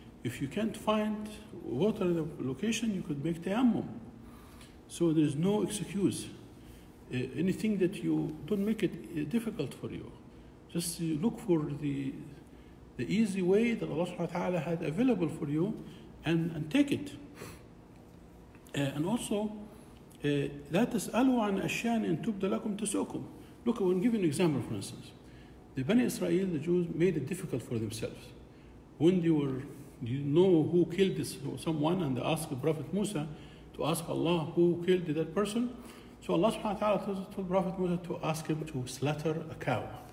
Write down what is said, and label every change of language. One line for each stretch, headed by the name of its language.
English: If you can't find water in the location, you could make tayammum. So there's no excuse. Anything that you don't make it difficult for you. Just look for the easy way that Allah subhanahu wa ta'ala had available for you and take it. And also,
Arabic: لا تسألوا عن أشياء إن تبدى لكم تسؤكم.
English: Look, I will give you an example, for instance. The Bani Israel, the Jews, made it difficult for themselves. When they were, you know who killed this someone, and they asked the Prophet Musa to ask Allah who killed that person. So Allah subhanahu wa ta'ala told Prophet Musa to ask him to slaughter a cow.